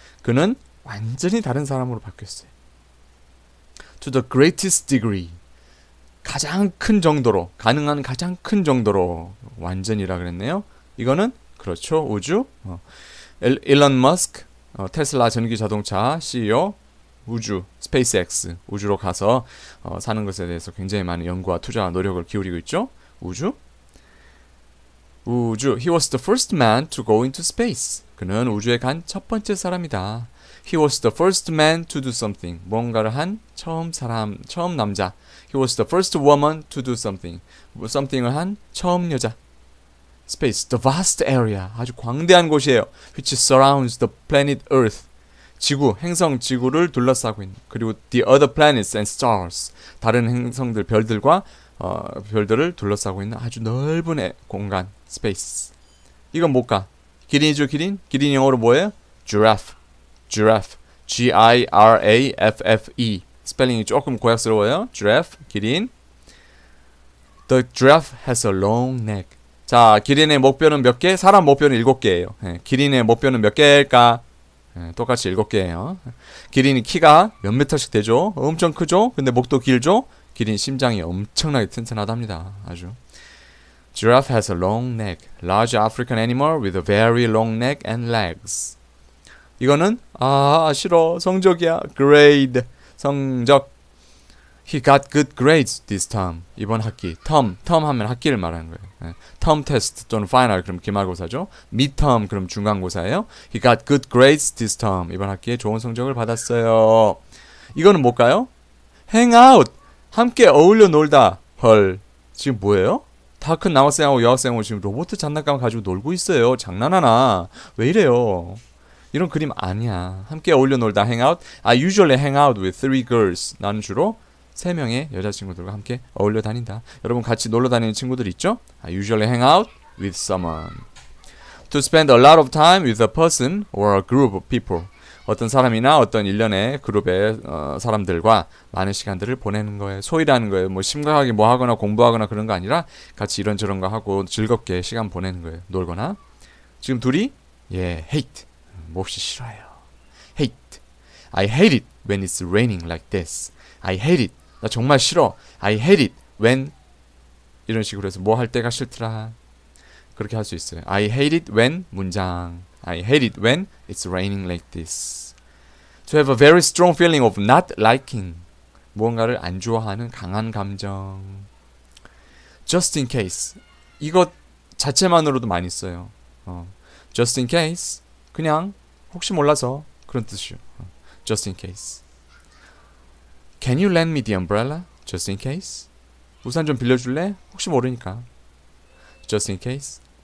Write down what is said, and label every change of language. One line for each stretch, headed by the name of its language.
Korean: 그는 완전히 다른 사람으로 바뀌었어요.
English: To the greatest degree
Korean: 가장 큰 정도로 가능한 가장 큰 정도로 완전이라 그랬네요. 이거는 그렇죠 우주 일론 머스크 테슬라 전기 자동차 CEO. 우주, SpaceX, 우주로 가서 사는 것에 대해서 굉장히 많은 연구와 투자와 노력을 기울이고 있죠. 우주. 우주.
English: He was the first man to go into space.
Korean: 그는 우주에 간첫 번째 사람이다.
English: He was the first man to do something.
Korean: 뭔가를 한 처음 사람, 처음 남자.
English: He was the first woman to do something.
Korean: Something을 한 처음 여자.
English: space, the vast area,
Korean: 아주 광대한 곳이에요.
English: Which surrounds the planet Earth,
Korean: 지구, 행성 지구를 둘러싸고 있는. 그리고
English: the other planets and stars,
Korean: 다른 행성들, 별들과 별들을 둘러싸고 있는 아주 넓은 공간, space. 이건 못 가. 기린이죠, 기린? 기린 영어로 뭐예요?
English: Giraffe, giraffe, G-I-R-A-F-F-E.
Korean: 스펠링이 조금 고약스러워요.
English: Giraffe, 기린. The giraffe has a long neck.
Korean: 자, 기린의 목뼈는 몇 개? 사람 목뼈는 7개예요. 네, 기린의 목뼈는 몇 개일까? 네, 똑같이 7개예요. 기린이 키가 몇 미터씩 되죠? 엄청 크죠? 근데 목도 길죠? 기린 심장이 엄청나게 튼튼하답니다.
English: 아주. Giraffe has a long neck. Large African animal with a very long neck and legs.
Korean: 이거는? 아, 싫어. 성적이야. Grade. 성적.
English: He got good grades this term.
Korean: 이번 학기.
English: Term. Term
Korean: 하면 학기를 말하는 거예요. 네. Term test 또는 final 그럼 기말고사죠. Midterm 그럼 중간고사예요.
English: He got good grades this term.
Korean: 이번 학기에 좋은 성적을 받았어요. 이거는 뭘까요? Hang out. 함께 어울려 놀다. 헐. 지금 뭐예요? 다 큰 남학생하고 여학생하고 지금 로봇 장난감 가지고 놀고 있어요. 장난하나? 왜 이래요? 이런 그림 아니야. 함께 어울려 놀다. Hang out.
English: I usually hang out with three girls.
Korean: 나는 주로 3명의 여자친구들과 함께 어울려 다닌다. 여러분 같이 놀러 다니는 친구들 있죠?
English: I usually hang out with someone. To spend a lot of time with a person or a group of people.
Korean: 어떤 사람이나 어떤 일련의 그룹의 사람들과 많은 시간들을 보내는 거예요. 소일하는 거예요. 뭐 심각하게 뭐 하거나 공부하거나 그런 거 아니라 같이 이런저런 거 하고 즐겁게 시간 보내는 거예요. 놀거나. 지금 둘이? 예, hate. 몹시 싫어요. Hate.
English: I hate it when it's raining like this. I hate it.
Korean: 나 정말 싫어. I hate it when 이런 식으로 해서 뭐 할 때가 싫더라. 그렇게 할 수 있어요.
English: I hate it when 문장. I hate it when it's raining like this. To have a very strong feeling of not liking.
Korean: 무언가를 안 좋아하는 강한 감정.
English: Just in case.
Korean: 이거 자체만으로도 많이 써요.
English: Just in case.
Korean: 그냥 혹시 몰라서 그런 뜻이요.
English: Just in case. Can you lend me the umbrella? Just in case.
Korean: 우산 좀 빌려줄래? 혹시 모르니까.
English: Just in case.